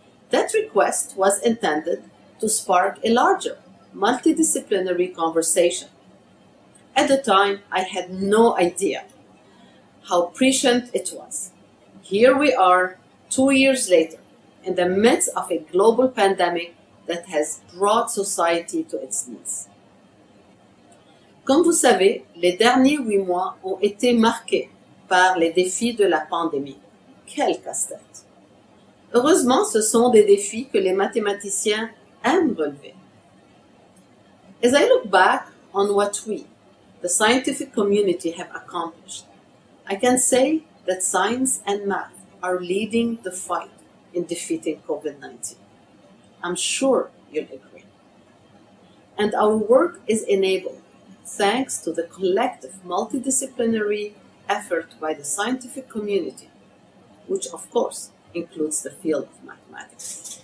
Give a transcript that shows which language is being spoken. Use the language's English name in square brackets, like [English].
[English] That request was intended to spark a larger, multidisciplinary conversation. At the time, I had no idea how prescient it was. Here we are, 2 years later, in the midst of a global pandemic that has brought society to its knees. [French] Comme vous savez, les derniers 8 mois ont été marqués par les défis de la pandémie. Quel casse-tête! Heureusement, ce sont des défis que les mathématiciens aiment relever. [English] As I look back on what we, the scientific community, have accomplished, I can say that science and math are leading the fight in defeating COVID-19. I'm sure you'll agree. And our work is enabled thanks to the collective multidisciplinary effort by the scientific community, which of course includes the field of mathematics.